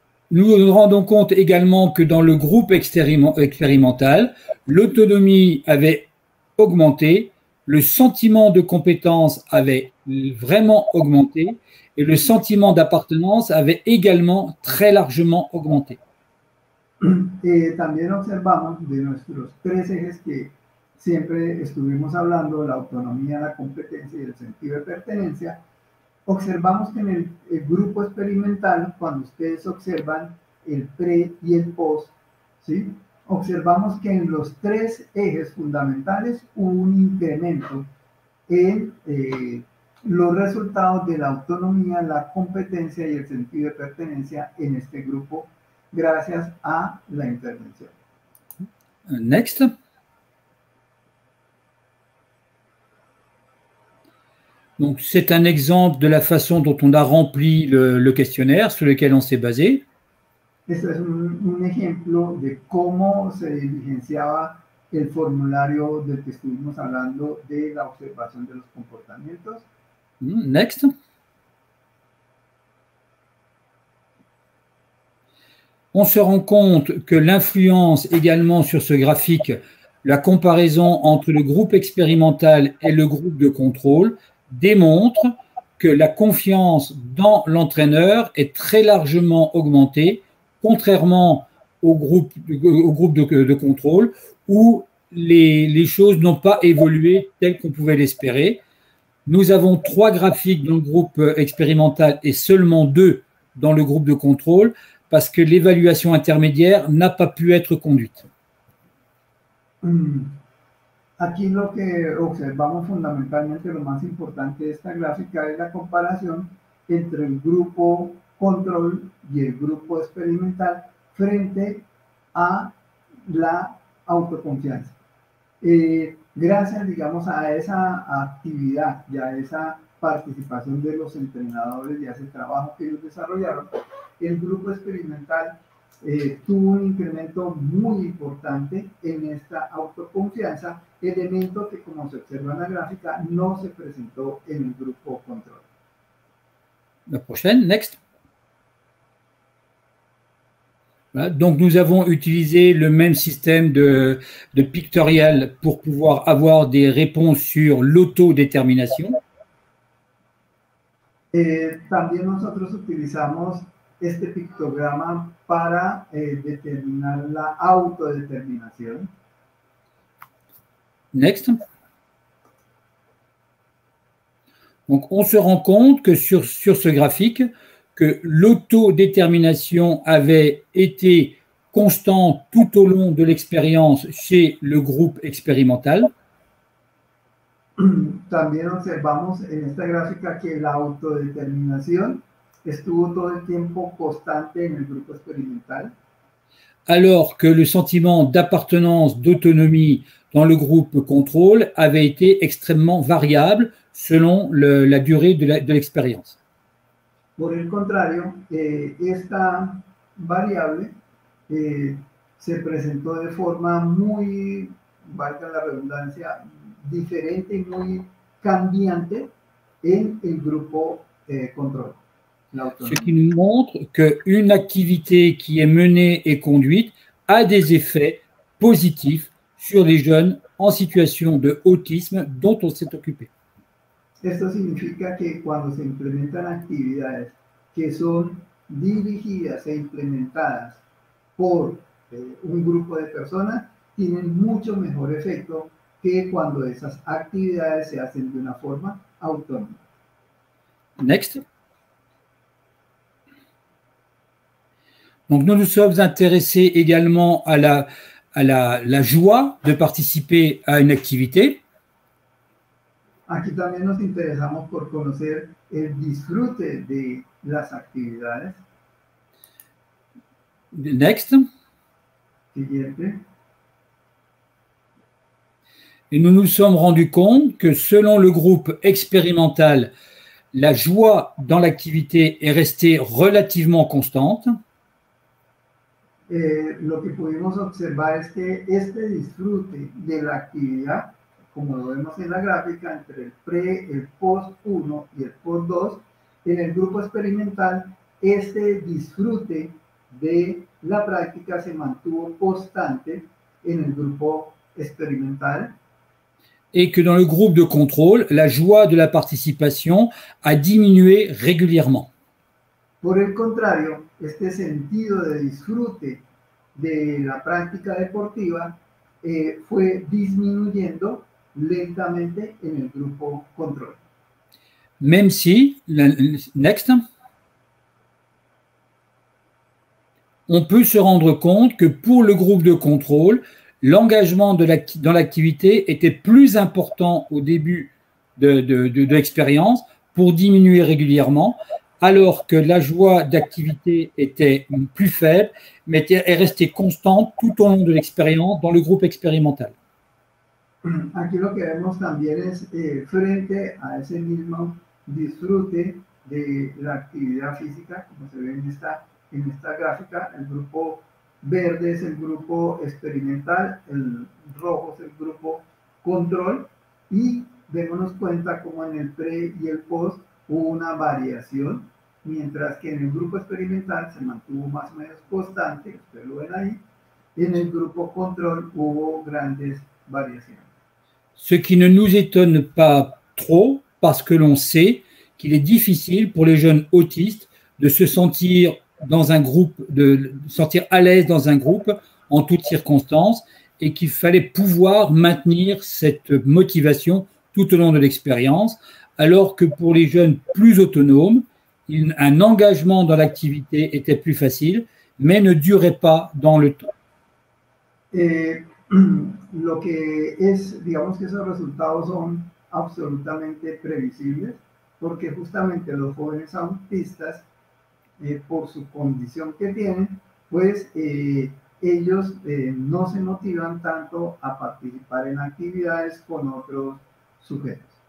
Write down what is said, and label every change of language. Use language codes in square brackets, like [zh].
[fr] Nous nous rendons compte également que dans le groupe expérimental, l'autonomie avait augmenté, le sentiment de compétence avait vraiment augmenté et le sentiment d'appartenance avait également très largement augmenté. [es] Et también observamos de nuestros tres ejes que siempre estuvimos hablando, la autonomía, la competencia y el sentido de pertenencia, observamos que en el grupo experimental, cuando ustedes observan el pre y el post, ¿sí?, observamos que en los tres ejes fundamentales hubo un incremento en los resultados de la autonomía, la competencia y el sentido de pertenencia en este grupo gracias a la intervención. [en] Next. [fr] Donc, c'est un exemple de la façon dont on a rempli le questionnaire sur lequel on s'est basé. [es] Este es un ejemplo de cómo se diligenciaba el formulario del que estuvimos hablando de la observación de los comportamientos. [en] Next. [fr] On se rend compte que l'influence également sur ce graphique, la comparaison entre le groupe expérimental et le groupe de contrôle, démontre que la confiance dans l'entraîneur est très largement augmentée, contrairement au groupe de contrôle, où les choses n'ont pas évolué telles qu'on pouvait l'espérer. Nous avons 3 graphiques dans le groupe expérimental et seulement 2 dans le groupe de contrôle, parce que l'évaluation intermédiaire n'a pas pu être conduite. [es] Aquí lo que observamos fundamentalmente, lo más importante de esta gráfica, es la comparación entre el grupo control y el grupo experimental frente a la autoconfianza. Gracias, digamos, a esa actividad y a esa participación de los entrenadores y a ese trabajo que ellos desarrollaron, el grupo experimental tuvo un incremento muy importante en esta autoconfianza, elemento que, como se observa en la gráfica, no se presentó en el grupo control. [fr] La prochaine, next. Voilà. Donc, nous avons utilisé le même système de pictorial pour pouvoir avoir des réponses sur l'autodétermination. [es] También nosotros utilizamos este pictograma para determinar la autodeterminación. [en] Next. [fr] Donc, on se rend compte que sur ce graphique, que l'autodétermination avait été constante tout au long de l'expérience chez le groupe expérimental. [es] También observamos en esta gráfica que la autodeterminación estuvo todo el tiempo constante en el grupo experimental. [fr] Alors que le sentiment d'appartenance, d'autonomie dans le groupe contrôle avait été extrêmement variable selon la durée de l'expérience. [es] Por el contrario, esta variable se presentó de forma muy, valga la redundancia, diferente y muy cambiante en el grupo control. [fr] Ce qui nous montre qu'une activité qui est menée et conduite a des effets positifs sur les jeunes en situation de autisme dont on s'est occupé. [es] Esto significa que cuando se implementan actividades que son dirigidas e implementadas por un grupo de personas, tienen mucho mejor efecto que cuando esas actividades se hacen de una forma autónoma. [en] Next. [fr] Donc nous nous sommes intéressés également à la joie de participer à une activité. [es] Aquí también nos interesamos por conocer el disfrute de las actividades. [en] Next. [es] Siguiente. [fr] Et nous nous sommes rendus compte que selon le groupe expérimental, la joie dans l'activité est restée relativement constante. [es] Lo que pudimos observar es que este disfrute de la actividad, como lo vemos en la gráfica, entre el pre, el post 1 y el post 2, en el grupo experimental, este disfrute de la práctica se mantuvo constante en el grupo experimental. [fr] Et que dans le groupe de contrôle, la joie de la participation a diminué régulièrement. [es] Por el contrario, este sentido de disfrute de la práctica deportiva fue disminuyendo lentamente en el grupo control. [fr] Même si, next, on peut se rendre compte que pour le groupe de contrôle, l'engagement dans l'activité était plus important au début de l'expérience pour diminuer régulièrement, alors que la joie d'activité était plus faible, mais est restée constante tout au long de l'expérience dans le groupe expérimental. [es] Aquí lo que vemos también es frente a ese mismo disfrute de la actividad física, como se ve en esta gráfica, el grupo verde es el grupo experimental, el rojo es el grupo control, y démonos cuenta como en el pre y el post hubo una variación, mientras que en el grupo experimental se mantuvo más o menos constante, ustedes lo ven ahí, en el grupo control hubo grandes variaciones. [fr] Ce qui ne nous étonne pas trop, parce que l'on sait qu'il est difficile pour les jeunes autistes de se sentir dans un groupe, de sentir à l'aise dans un groupe en toutes circonstances, et qu'il fallait pouvoir maintenir cette motivation tout au long de l'expérience, alors que pour les jeunes plus autonomes, un engagement dans l'activité était plus facile, mais ne durait pas dans le temps. [es] Lo que es, digamos que esos resultados son absolutamente previsibles, porque justamente los jóvenes autistas, por su condición que tienen, pues ellos no se motivan tanto a participar en actividades con otros sujetos.